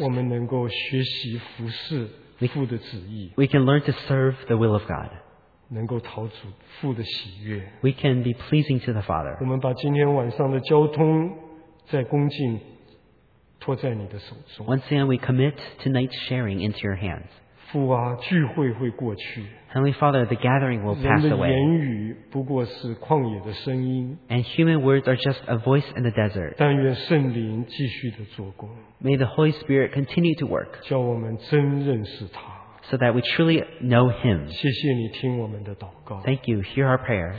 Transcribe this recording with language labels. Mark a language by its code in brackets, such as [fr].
[zh] 我们能够学习服侍父的旨意, [en] we can learn to serve the will of God. [zh] 能够讨主父的喜悦, [en] we can be pleasing to the Father. [zh] 我们把今天晚上的交通在恭敬托在你的手中。 [en] Once again, we commit tonight's sharing into your hands. [zh] 父啊,聚会会过去。 [en] Heavenly Father, the gathering will pass away. [zh] 人的言语不过是旷野的声音。 [en] And human words are just a voice in the desert. [zh] 但愿圣灵继续的做工。 [en] May the Holy Spirit continue to work. [zh] 叫我们真认识他。 [en] So that we truly know Him. [zh] 谢谢你听我们的祷告。 [en] Thank you, hear our prayer.